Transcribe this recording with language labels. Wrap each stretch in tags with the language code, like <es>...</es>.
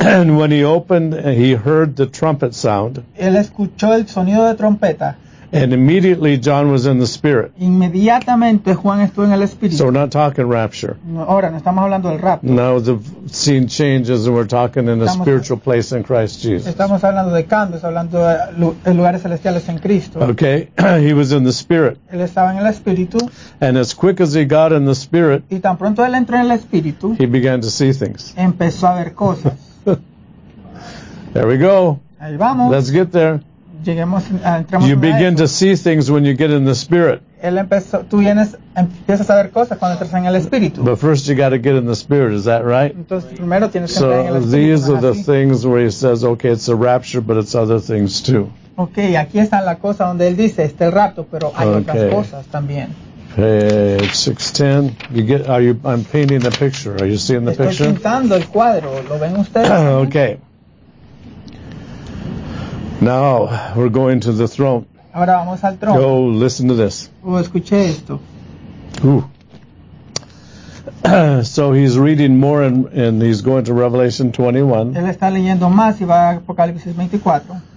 <en>And when he opened, he heard the trumpet sound.</en> <es>Él escuchó el sonido de trompeta.</es> <en>And immediately John was in the Spirit.</en> <es>Inmediatamente Juan estuvo en el Espíritu.</es> <en>So we're not talking rapture.</en> <es>Ahora, no estamos hablando del rapto.</es> <en>Now the scene changes and we're talking in a spiritual place in Christ Jesus.</en> <es>Estamos hablando de cambios, hablando de lugares celestiales en Cristo.</es> <en>Okay, he was in the Spirit.</en> <es>Él estaba en el Espíritu.</es> <en>And as quick as he got in the Spirit,</en> <es>y tan pronto él entró en el Espíritu,</es> <en>he began to see things.</en> <es>Empezó a ver cosas.</es> <en>There we go.</en> <es>Ahí vamos.</es> <en>Let's get there. You begin to see things when you get in the Spirit. But first you got to get in the Spirit, is that right? So these are the things where he says, okay, it's a rapture, but it's other things too.</en> <es>Okay, aquí está la cosa donde él dice, está el rapto, pero hay otras cosas también.</es> <en>Page 610. I'm painting the picture. Are you seeing the picture?</en> <es>Estoy pintando el cuadro. ¿Lo ven ustedes?</es> <en>Okay. Now, we're going to the throne.</en> <es>Ahora vamos al trono.</es> <en>Go, listen to this.</en> <es>Escuché esto. Ooh.</es> <en>So he's reading more and he's going to Revelation 21.</en> <es>Él está leyendo más y va a Apocalipsis 24.</es>